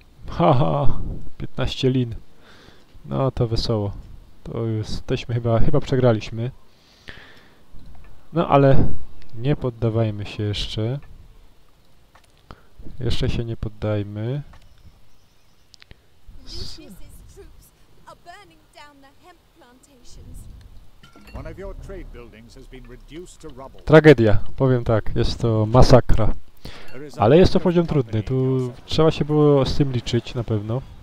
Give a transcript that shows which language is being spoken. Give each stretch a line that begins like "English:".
Polish: Haha, 15 lin. No to wesoło. To jesteśmy chyba przegraliśmy. No ale nie poddawajmy się jeszcze. Jeszcze się nie poddajmy.
English: Lucius's troops are burning down the hemp plantations. One of your trade buildings has been reduced to rubble.
Polish: Tragedia, powiem tak, jest to masakra. Ale jest to poziom trudny, tu trzeba się było z tym liczyć, na pewno.